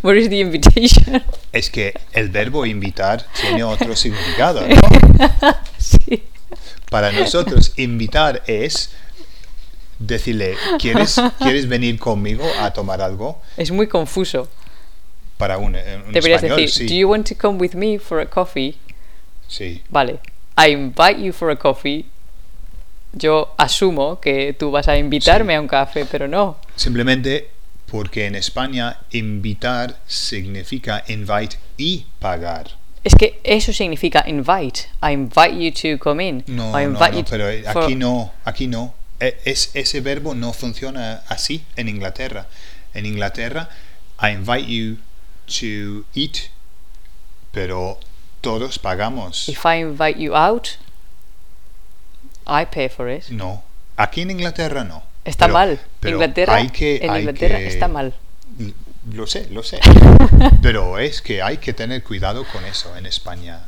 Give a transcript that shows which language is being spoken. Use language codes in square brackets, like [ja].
[en] Where is the invitation? [es] Es que el verbo invitar tiene otro significado, ¿no? Sí. Para nosotros, invitar es decirle, ¿quieres venir conmigo a tomar algo? Es muy confuso. para un español, deberías decir, sí. [en] Do you want to come with me for a coffee? [es] Sí. [en] Vale. I invite you for a coffee. [es] Yo asumo que tú vas a invitarme, sí, a un café, pero no. Simplemente porque en España invitar significa invite y pagar. Es que eso significa [en] invite. I invite you to come in. [es] No, [en] I invite [es] no, no, pero aquí for... no, aquí no. Ese verbo no funciona así en Inglaterra. En Inglaterra, [en] I invite you to eat, [es] pero todos pagamos. [en] If I invite you out, I pay for it. [es] No, aquí en Inglaterra no. Está pero, mal. Pero Inglaterra, hay que, en hay Inglaterra que... está mal. Lo sé, pero es que hay que tener cuidado con eso en España.